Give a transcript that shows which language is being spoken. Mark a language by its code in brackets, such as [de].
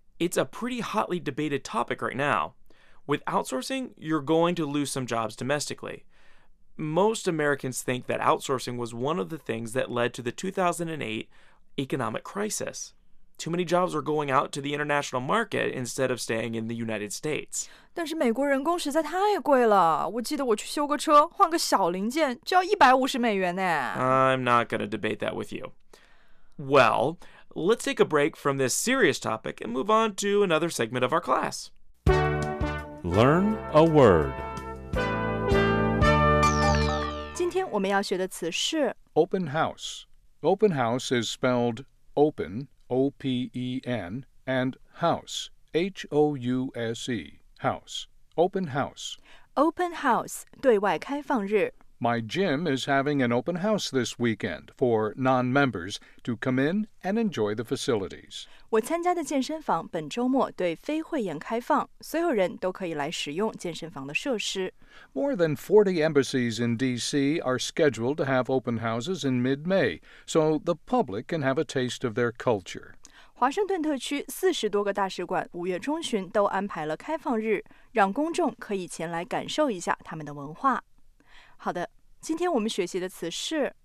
[en] It's a pretty hotly debated topic right now. With outsourcing, you're going to lose some jobs domestically. Most Americans think that outsourcing was one of the things that led to the 2008 economic crisis. Too many jobs are going out to the international market instead of staying in the United States. [zh] 但是美国人工实在太贵了。我记得我去修个车，换个小零件就要150美元呢。 [en] I'm not going to debate that with you. Well, let's take a break from this serious topic and move on to another segment of our class. Learn a word. [zh] 今天我们要学的词是 [en] open house. Open house is spelled open, O-P-E-N, and house, H-O-U-S-E, house. Open house. [zh] Open house, 对外开放日。 [en] My gym is having an open house this weekend for non-members to come in and enjoy the facilities. [zh] 我参加的健身房本周末对非会员开放，所有人都可以来使用健身房的设施。 [en] More than 40 embassies in D.C. are scheduled to have open houses in mid-May, so the public can have a taste of their culture. [zh] 华盛顿特区40多个大使馆5月中旬都安排了开放日，让公众可以前来感受一下他们的文化。好的，今天我们学习的词是